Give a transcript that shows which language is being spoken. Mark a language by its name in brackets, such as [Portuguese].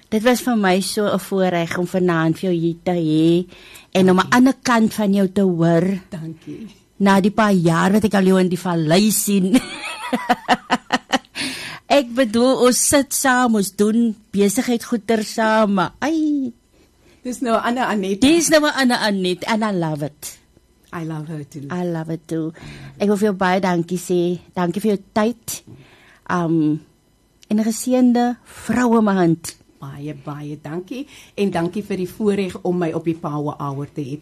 [Afrikaans] Dit was vir my so 'n voorreg om vanaand vir jou hier te hê, en om 'n ander kant van jou te hoor. Dankie. Na die paar jaar wat ek al jou in die vallei sien. Ek bedoel, ons sit saam, ons doen besigheid goeder saam. Ai. Dis nou Anna Annette. Dis nou Anna Annette, [English] and I love it. I love her too. I love it too. [Afrikaans] Ek wil vir jou baie dankie sê. Dankie vir jou tyd. En geseënde vroue maand. Baie, baie dankie. En dankie vir die voorreg om my op die Power Hour te hê.